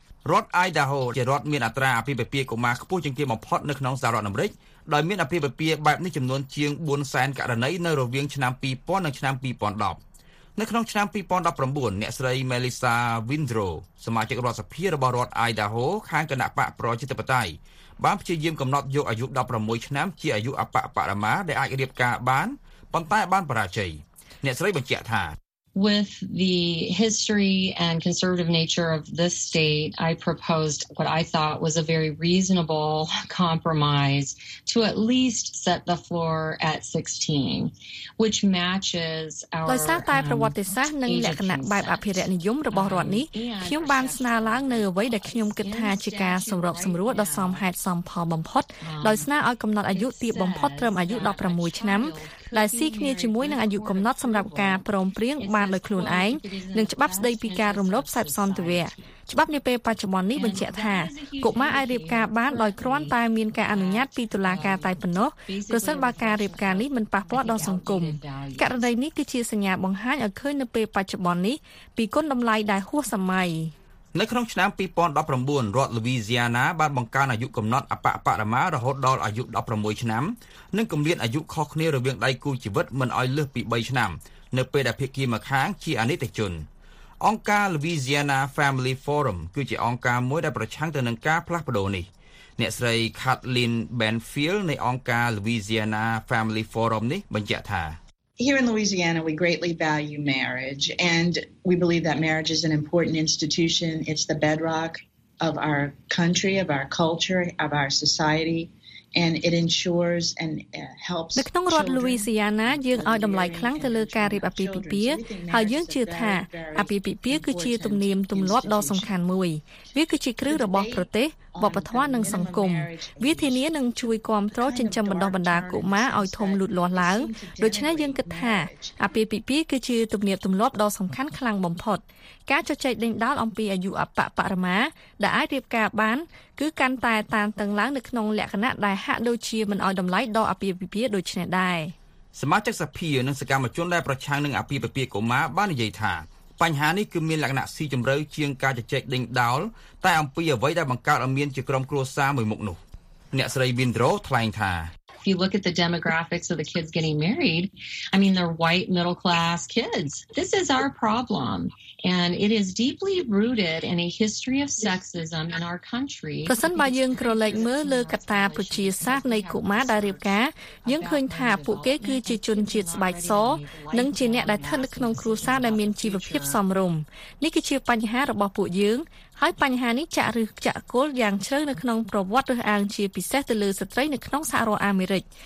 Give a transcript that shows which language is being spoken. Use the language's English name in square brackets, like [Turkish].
[Khmer] រដ្ឋ Idaho ជារដ្ឋមានអត្រាអភិបាលកុមារខ្ពស់ជាងគេបំផុតនៅក្នុងសហរដ្ឋអាមេរិកដោយមានអភិបាលបែបនេះចំនួនជាង400,000ករណីនៅរវាងឆ្នាំ2000និងឆ្នាំ2010នៅក្នុងឆ្នាំ2019អ្នកស្រី Melissa Windrow សមាជិករដ្ឋសភារបស់រដ្ឋ Idaho ខាងគណៈបកប្រជាធិបតេយ្យបានព្យាយាមកំណត់យកអាយុ16ឆ្នាំជាអាយុអបអបរមាដែលអាចរៀបការបានប៉ុន្តែបានបរាជ័យអ្នកស្រីបញ្ជាក់ថា [English] With the history and conservative nature of this state, I proposed what I thought was a very reasonable compromise to at least set the floor at 16, which matches our [Khmer] ដោយសារតែប្រវត្តិសាស្ត្រនិងលក្ខណៈបែបអភិរក្សនិយមរបស់រដ្ឋនេះខ្ញុំបានស្នើឡើងនៅអ្វីដែលខ្ញុំគិតថាជាការសម្របសម្រួលដ៏សមហេតុសមផលបំផុតដោយស្នើឲ្យកំណត់អាយុទាបបំផុតត្រឹមអាយុ16ឆ្នាំ ដែលស៊ីគ្នាជាមួយនឹងអាយុកំណត់សម្រាប់ការព្រមព្រៀងបានដោយខ្លួនឯងនិងច្បាប់ស្ដីពីការរំលោភសិទ្ធិសន្តិវៈច្បាប់នាពេលបច្ចុប្បន្ននេះបញ្ជាក់ថាកុមារអាចរៀបការបានដោយគ្រាន់តែមានការអនុញ្ញាតពីតុលាការតែប៉ុណ្ណោះប្រសិនបើការរៀបការនេះមិនប៉ះពាល់ដល់សង្គមករណីនេះគឺជាសញ្ញាបង្ហាញឲ្យឃើញនៅពេលបច្ចុប្បន្ននេះពីគុណតម្លៃដែលហួសសម័យ នៅក្នុងឆ្នាំ2019រដ្ឋ Louisiana បានបង្កើនអាយុកំណត់អបអបរមារហូតដល់អាយុ16ឆ្នាំនិងកម្រិតអាយុខុសគ្នារវាងដៃគូជីវិតមិនឲ្យលើសពី3ឆ្នាំនៅពេលដែលភាគីម្ខាងជាអនិច្ចជនអង្គការ Louisiana Family Forum គឺជាអង្គការមួយដែលប្រឆាំងទៅនឹងការផ្លាស់ប្ដូរនេះអ្នកស្រី Kathleen Benfield នៃអង្គការ Louisiana Family Forum នេះបញ្ជាក់ថា [English] Here in Louisiana, we greatly value marriage, and we believe that marriage is an important institution. It's the bedrock of our country, of our culture, of our society, and it ensures and helps. [Khmer] នៅក្នុងរដ្ឋ Louisiana, យើងឲ្យតម្លៃខ្លាំងទៅលើការរៀបអាពាហ៍ពិពាហ៍ហើយយើងជឿថាអាពាហ៍ពិពាហ៍គឺជាទំនៀមទម្លាប់ដ៏សំខាន់មួយ។វាគឺជាគ្រឹះរបស់ប្រទេសវប្បធម៌និងសង្គមវាធានានឹងជួយគ្រប់គ្រងចិញ្ចឹមបណ្ដុះបណ្ដាកុមារឲ្យធំលូតលាស់ឡើងដូច្នេះយើងគិតថាអាពាហ៍ពិពាហ៍គឺជាទំនៀមទម្លាប់ដ៏សំខាន់ខ្លាំងបំផុត ការជជែកដេញដោលអំពីអាយុអបបរមាដែលអាចរៀបការបានគឺកាន់តែតានតឹងឡើងនៅក្នុងលក្ខណៈដែលហាក់ដូចជាមិនឲ្យតម្លៃដល់អាពាហ៍ពិពាហ៍ដូច្នេះដែរ សមាជិកសភានិងសកម្មជនដែលប្រឆាំងនឹងអាពាហ៍ពិពាហ៍កុមារបាននិយាយថាបញ្ហានេះគឺមានលក្ខណៈស៊ីជម្រៅជាងការជជែកដេញដោលតែអំពីអ្វីដែលបង្កើតឲ្យមានជាក្រុមគ្រួសារមួយមុខនោះអ្នកស្រី Windro ថ្លែងថា [English] If you look at the demographics of the kids getting married, I mean they're white middle class kids. This is our problem and it is deeply rooted in a history of sexism in our country. [Khmer] ប្រសិនបើយើងក្រឡេកមើលលើកត្តាប្រជាសាស្ត្រនៃកុមារដែលរៀបការយើងឃើញថាពួកគេគឺជាជនជាតិស្បែកសនិងជាអ្នកដែលស្ថិតក្នុងគ្រួសារដែលមានជីវភាពសមរម្យនេះគឺជាបញ្ហារបស់ពួកយើងហើយបញ្ហានេះចាក់ឬចាក់គល់យ៉ាងជ្រៅនៅក្នុងប្រវត្តិរើសអើងជាពិសេសទៅលើស្ត្រីនៅក្នុងសហរដ្ឋអាមេរិក